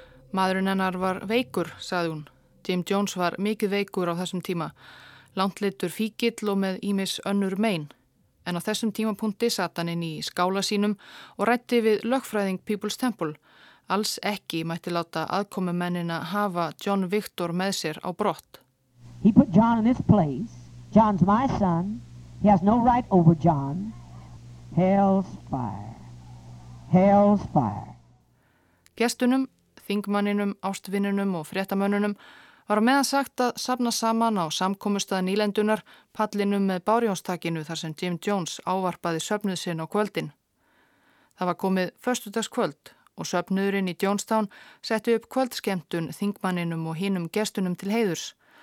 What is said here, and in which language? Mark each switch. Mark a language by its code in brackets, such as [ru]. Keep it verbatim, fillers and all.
[is] Maðurinn hennar var veikur, sagði hún. Jim Jones var mikið veikur á þessum tíma. Langleitur fíkill og með ýmis önnur mein. En á þessum tímapunkti sat hann inn í skála sínum og ræddi við lögfræðing People's Temple. Alls ekki mætti láta aðkomumennina hafa John Victor með sér á brott. [en] He put John in this place. John's my son. He has no right over John. Hell's fire. Hell's fire. [is] Gestunum, þingmanninum, ástvinninum og fréttamönnunum var á meðan sagt að safna saman á samkomustað nýlendunar pallinum með bárjónstakinu þar sem Jim Jones ávarpaði söfnuð sinn á kvöldin. Það var komið föstudagskvöld og söfnuðurinn í Jonestown setti upp kvöldskemmtun þingmanninum og hinum gestunum til heiðurs.